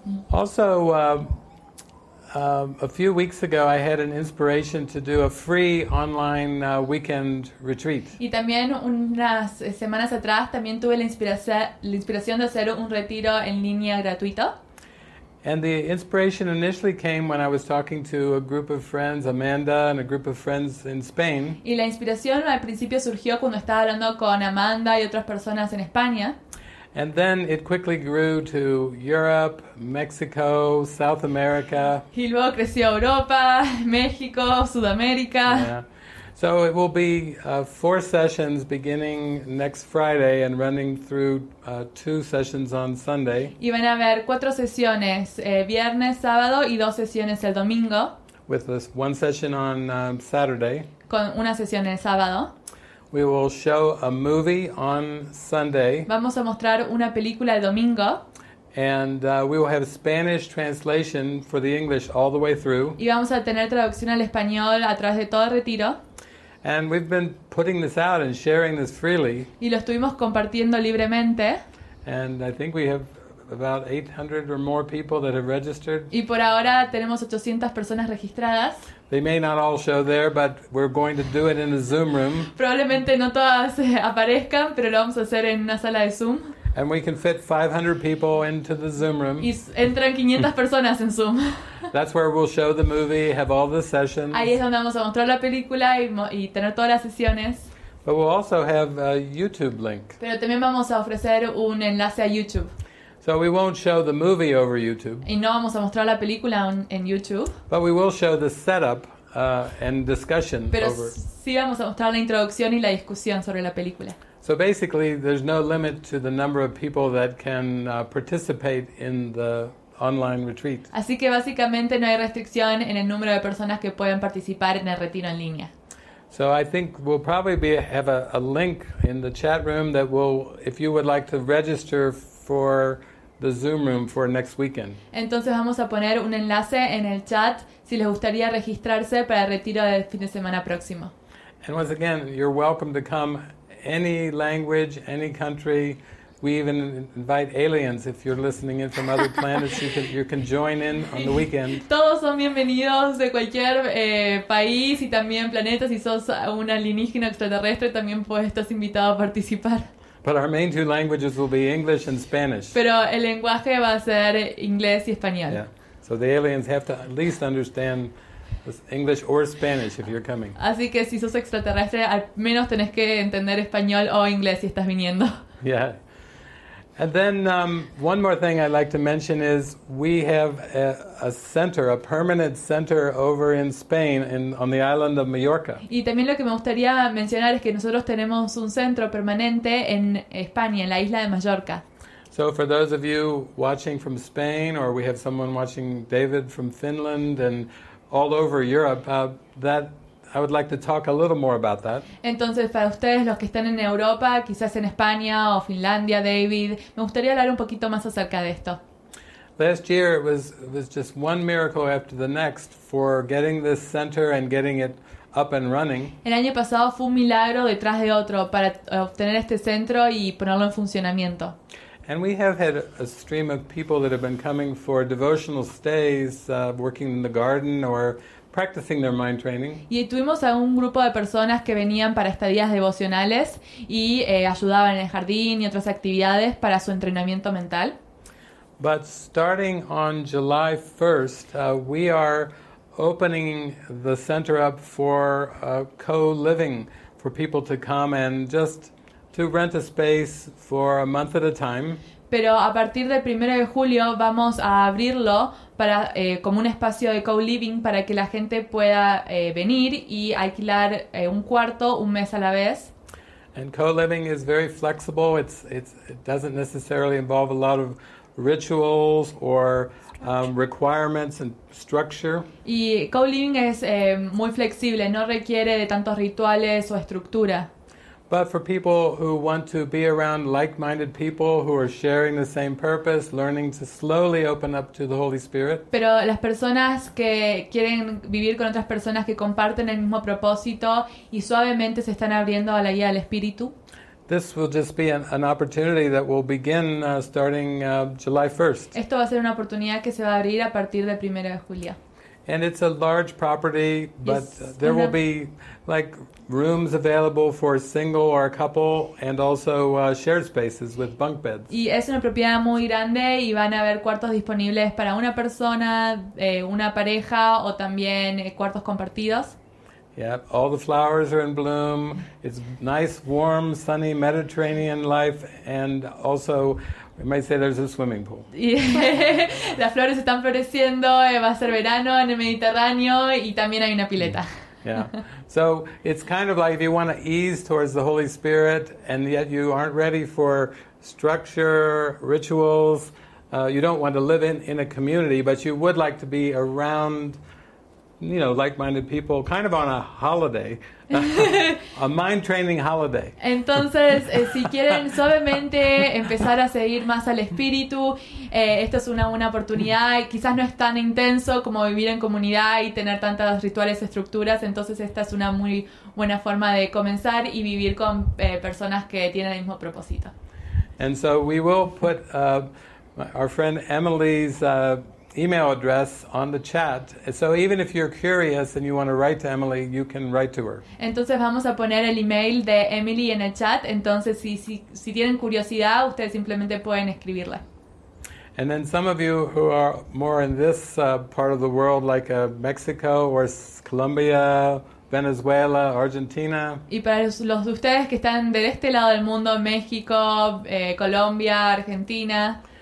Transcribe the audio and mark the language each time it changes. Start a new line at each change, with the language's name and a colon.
English: Also, a few weeks ago, I had an inspiration to do a free online weekend retreat.
Spanish: Y también unas semanas atrás, también tuve la inspiración de hacer un retiro en línea gratuito.
English: And the inspiration initially came when I was talking to a group of friends, Amanda, and a group of friends in Spain.
Spanish: Y la inspiración al principio surgió cuando estaba hablando con Amanda y otras personas en España.
English: And then it quickly grew to Europe, Mexico, South America.
Spanish: Y luego creció Europa, México, Sudamérica.
English: Yeah. So it will be four sessions beginning next Friday and running through two sessions on Sunday.
Spanish: Y van a haber cuatro sesiones viernes, sábado y dos sesiones el domingo.
English: With this one session on Saturday.
Spanish: Con una sesión el sábado.
English: We will show a movie on Sunday.
Spanish: Vamos a mostrar una película el domingo.
English: And we will have Spanish translation for the English all the way through.
Spanish: Y vamos a tener traducción al español a través de todo el retiro.
English: And we've been putting this out and sharing this freely.
Spanish: Y lo estuvimos compartiendo libremente.
English: And I think we have about 800 or more people that have registered.
Spanish: Y por ahora tenemos 800 personas registradas.
English: They may not all show there, but we're going to do it in a Zoom room.
Spanish: Probablemente no todas aparezcan, pero lo vamos a hacer en una sala de Zoom.
English: And we can fit 500 people into the Zoom room.
Spanish: Y entran 500 personas en Zoom.
English: That's where we'll show the movie, have all the sessions.
Spanish: Ahí es donde vamos a mostrar la película y tener todas las sesiones.
English: But we'll also have a YouTube link.
Spanish: Pero también vamos a ofrecer un enlace a YouTube.
English: So we won't show the movie over YouTube.
Spanish: Y no vamos a mostrar la película en YouTube.
English: But we will show the setup and discussion
Spanish: Pero
English: over.
Spanish: Pero sí vamos a mostrar la introducción y la discusión sobre la película.
English: So basically, there's no limit to the number of people that can participate in the online retreat.
Spanish: Así que básicamente no hay restricción en el número de personas que pueden participar en el retiro en línea.
English: So I think we'll probably have a link in the chat room that will, if you would like to register for the Zoom room for next weekend.
Spanish: Entonces vamos a poner un enlace en el chat si les gustaría registrarse para el retiro del fin de semana próximo.
English: And once again, you're welcome to come. Any language, any country. We even invite aliens if you're listening in from other planets. You can join in on the weekend.
Spanish: Todos son bienvenidos de cualquier país y también planetas. Si sos un alienígena extraterrestre, también estás invitado a participar.
English: But our main two languages will be English and Spanish.
Spanish: Pero el lenguaje va a ser inglés y español.
English: Yeah. So the aliens have to at least understand English or Spanish if you're coming.
Spanish: Así que si sos extraterrestre, al menos tenés que entender español o inglés si estás viniendo.
English: Yeah. And then one more thing I'd like to mention is we have a permanent center over in Spain on the island of Mallorca.
Spanish: Y también lo que me gustaría mencionar es que nosotros tenemos un centro permanente en España, en la isla de Mallorca.
English: So for those of you watching from Spain, or we have someone watching David from Finland and all over Europe, that I would like to talk a little more about that.
Spanish: Entonces, para ustedes los que están en Europa, quizás en España o Finlandia, David, me gustaría hablar un poquito más acerca de esto.
English: Last year it was just one miracle after the next for getting this center and getting it up and running.
Spanish: El año pasado fue un milagro detrás de otro para obtener este centro y ponerlo en funcionamiento.
English: And we have had a stream of people that have been coming for devotional stays, working in the garden or practicing their mind training.
Spanish: Y tuvimos a un grupo de personas que venían para estadías devocionales y ayudaban en el jardín y otras actividades para su entrenamiento mental.
English: But starting on July 1st, we are opening the center up for co-living for people to come and just to rent a space for a month at a time.
Spanish: Pero a partir del 1 de julio vamos a abrirlo para como un espacio de co-living para que la gente pueda venir y alquilar un cuarto un mes a la vez.
English: And co-living is very flexible. It doesn't necessarily involve a lot of rituals or requirements and structure.
Spanish: Y co-living es muy flexible, no requiere de tantos rituales o estructura.
English: But for people who want to be around like-minded people who are sharing the same purpose, learning to slowly open up to the Holy Spirit.
Spanish: Pero las personas que quieren vivir con otras personas que comparten el mismo propósito y suavemente se están abriendo a la guía del Espíritu.
English: This will just be an opportunity that will begin starting July 1st.
Spanish: Esto va a ser una oportunidad que se va a abrir a partir del 1 de julio.
English: And it's a large property, but there will be like rooms available for a single or a couple, and also shared spaces with bunk beds.
Spanish: Y es una propiedad muy grande y van a haber cuartos disponibles para una persona, una pareja o también cuartos compartidos.
English: Yeah, all the flowers are in bloom. It's nice, warm, sunny Mediterranean life, and also we might say there's a swimming pool.
Spanish: Las flores están floreciendo, va a ser verano en el Mediterráneo y también hay una pileta.
English: Yeah. So it's kind of like if you want to ease towards the Holy Spirit and yet you aren't ready for structure, rituals, you don't want to live in a community, but you would like to be around, you know, like-minded people, kind of on a holiday, a mind training holiday.
Spanish: Entonces, si quieren suavemente empezar a seguir más al espíritu, esta es una oportunidad. Quizás no es tan intenso como vivir en comunidad y tener tantas rituales, estructuras. Entonces, esta es una muy buena forma de comenzar y vivir con personas que tienen el mismo propósito.
English: And so we will put our friend Emily's email address on the chat. So even if you're curious and you want to write to Emily, you can write to her.
Spanish: Entonces vamos a poner el email de Emily en el chat. Entonces si tienen curiosidad, ustedes simplemente pueden escribirla.
English: And then some of you who are more in this part of the world, like Mexico or Colombia, Venezuela, Argentina.
Spanish: Y para los de ustedes que están de este lado del mundo, México, Colombia, Argentina.